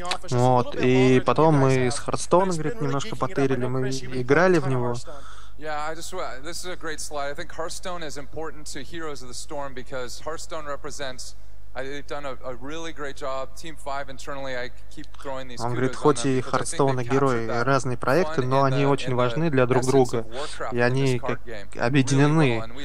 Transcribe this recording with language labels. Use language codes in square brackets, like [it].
[ru] Вот, и потом мы с Хардстоун, говорит, немножко потырили, мы играли в него. [en] Yeah, I just this is a great slide. I think Hearthstone is important to Heroes of the Storm because Hearthstone represents they've done a really great job. Team 5 internally, I keep throwing these. [ru] Он говорит, хоть и Hearthstone и герои разные проекты, но они очень важны для друг друга, и они как объединены.